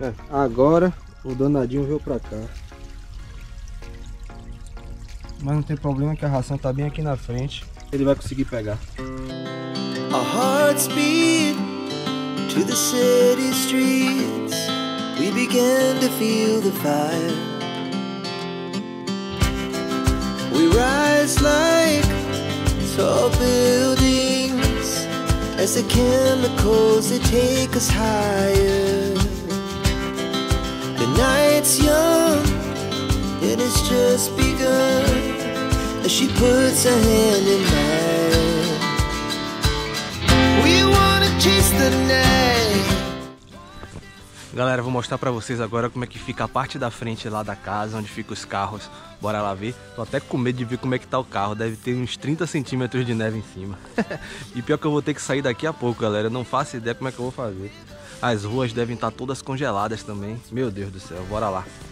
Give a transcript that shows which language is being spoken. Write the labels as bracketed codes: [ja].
[pt] Agora o danadinho veio pra cá. Mas não tem problema que a ração tá bem aqui na frente. Ele vai conseguir pegar. [en] Our hearts beat to the city streets. We began to feel the fire. We rise like tall buildings as the chemicals they take us higher. The night's young, and it's just begun, as she puts her hand in mine. We wanna chase the night. [pt] Galera, vou mostrar pra vocês agora como é que fica a parte da frente lá da casa, onde ficam os carros. Bora lá ver. Tô até com medo de ver como é que tá o carro. Deve ter uns 30 centímetros de neve em cima. E pior que eu vou ter que sair daqui a pouco, galera. Eu não faço ideia como é que eu vou fazer. As ruas devem estar todas congeladas também. Meu Deus do céu, bora lá.